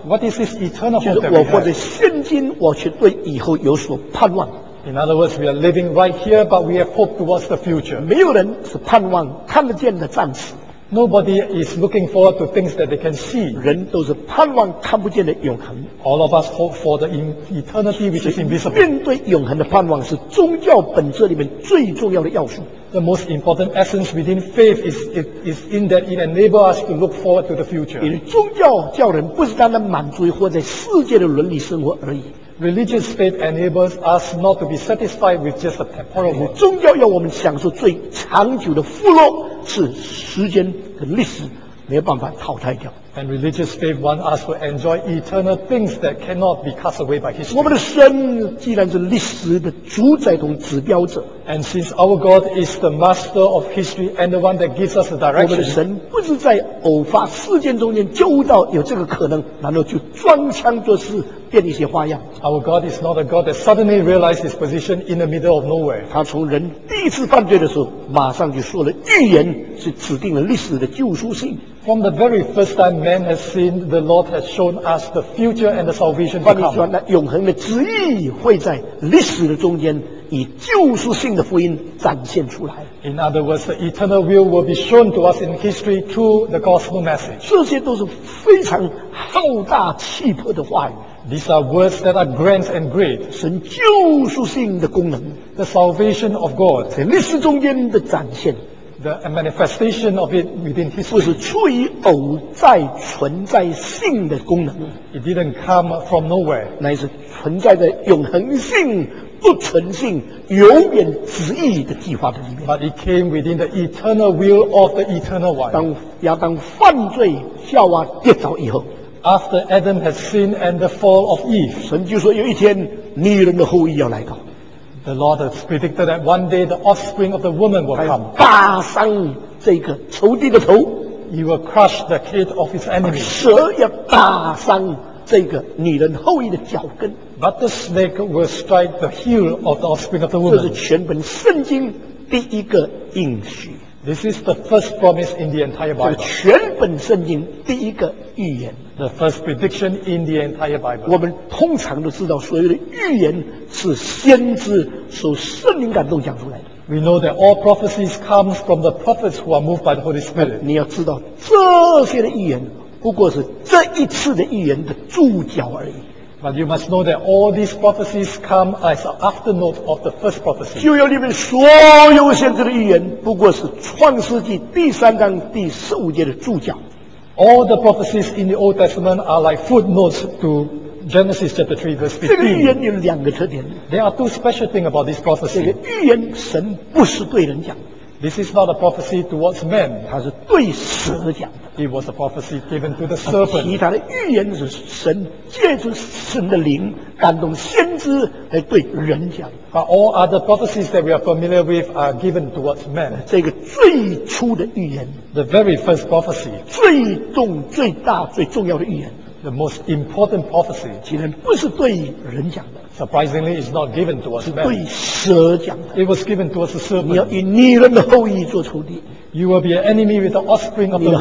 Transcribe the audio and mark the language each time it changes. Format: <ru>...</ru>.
<en>？What is this eternal hope?</en> <zh>就是我活在现今，我却对以后有所盼望。</zh> <en>In other words, we are living right here, but we have hope towards the future.</en> <zh>没有人是盼望看得见的暂时。</zh> <en>Nobody is looking forward to things that they can see.</en> <zh>人都是盼望看不见的永恒。</zh> <en>All of us hope for the eternity which is invisible.</en> <zh>面对永恒的盼望是宗教本质里面最重要的要素。</zh> <en>The most important essence within faith is in that it enables us to look forward to the future.</en> <zh>因为宗教教人不是单单满足于活在世界的伦理生活而已。</zh> <en>Religious faith enables us not to be satisfied with just a temporal world.</en> <zh>宗教要我们享受最长久的富乐，是时间跟历史没有办法淘汰掉。</zh> <en>And religious faith wants us to enjoy eternal things that cannot be cast away by history.</en> <zh>我们的神既然是历史的主宰和指标者</zh> <en>，And since our God is the master of history and the one that gives us the direction,</en> <zh>我们的神不是在偶发事件中间揪到有这个可能，然后就装腔作势。变一些花样。</zh> <en>Our God is not a God that suddenly realized his position in the middle of nowhere.</en> <zh>他从人第一次犯罪的时候，马上就说了预言，是指定了历史的救赎性。</zh> <en>From the very first time man has sinned, the Lord has shown us the future and the salvation to come.</en> <zh>换句话说，那永恒的旨意会在历史的中间以救赎性的福音展现出来。</zh> <en>In other words, the eternal will be shown to us in history through the gospel message.</en> <zh>这些都是非常浩大气魄的话语。</zh> <en>These are words that are grand and great.</en> <zh>神救赎性的功能</zh> <en>，the salvation of God，</en> <zh>在历史中间的展现</zh> <en>the manifestation of it within history.</en> <zh>不是出于偶在存在性的功能。</zh> <en>It didn't come from nowhere.</en> <zh>乃是存在的永恒性、不存性、永远旨意的计划的里面。</zh> <en>But it came within the eternal will of the eternal one.</en> <zh>当亚当犯罪、夏娃跌倒以后。</zh> <en>After Adam has sinned and the fall of Eve,</en> <zh>神就说有一天女人的后裔要来到。</zh> <en>The Lord has predicted that one day the offspring of the woman will come.</en> <zh>打伤这个仇敌的头。</zh> <en>He will crush the head of his enemy.</en> <zh>蛇也打伤这个女人后裔的脚跟。</zh> <en>But the snake will strike the heel of the offspring of the woman.</en> <zh>这是全本圣经第一个应许。</zh> <en>This is the first promise in the entire Bible.</en> <zh>全本圣经第一个预言。</zh> <en>The first prediction in the entire Bible.</en> <zh>我们通常都知道，所有的预言是先知受圣灵感动讲出来的。</zh> <en>We know that all prophecies come from the prophets who are moved by the Holy Spirit.</en> <zh>你要知道，这些的预言不过是这一次的预言的注脚而已。</zh> <en>But you must know that all these prophecies come as an afternote of the first prophecy.</en> <zh>旧约里面所有先知的预言不过是创世纪第三章第十五节的注脚。</zh> <en>All the prophecies in the Old Testament are like footnotes to Genesis chapter 3 verse 15.</en> <zh>这个预言有两个特点。</zh> <en>There are two special things about this prophecy.</en> <zh>这个预言神不是对人讲。</zh> <en>This is not a prophecy towards men.</en> <zh>它是对蛇讲的。</zh> <en>It was a prophecy given to the serpent.</en> <zh>其他的预言是神借着神的灵感动先知来对人讲。</zh> <en>But all other prophecies that we are familiar with are given towards men.</en> <zh>这个最初的预言。</zh> <en>The very first prophecy.</en> <zh>最重、最大、最重要的预言。</zh> <en>The most important prophecy.</en> <zh>其实不是对人讲的。</zh> <en>Surprisingly, it's not given to us men.</en> <zh>是对蛇讲的。</zh> <en>It was given to us the serpent.</en> <zh>你要以女人的后裔做仇敌。</zh> <en>You will be an enemy with the offspring of the woman.</en>